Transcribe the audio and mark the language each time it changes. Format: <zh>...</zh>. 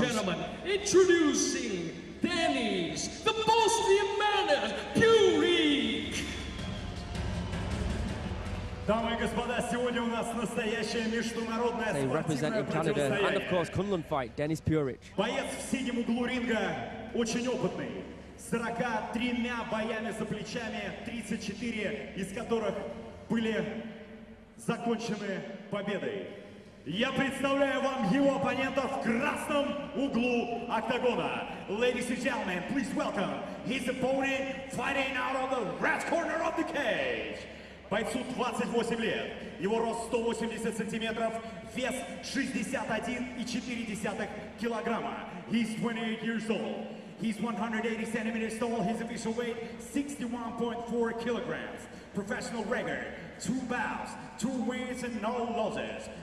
<en>Ladies and gentlemen, introducing Denis, the Bosnian man, Puric. They represent Canada and, of course, Kunlun fight, Denis Puric.</en> <ru>Боец в синем углу ринга, очень опытный. 43 боями за плечами, 34 из которых были закончены победой. Я представляю вам его оппонента в красном углу октагона.</ru> <en>Ladies and gentlemen, please welcome his opponent fighting out of the red corner of the cage.</en> <ru>Бойцу 28 лет, его рост 180 сантиметров, вес 61,4 килограмма.</ru> <en>He's 28 years old, he's 180 centimeters tall, his official weight 61.4 kilograms. Professional record, 2 bouts, 2 wins and no losses.</en>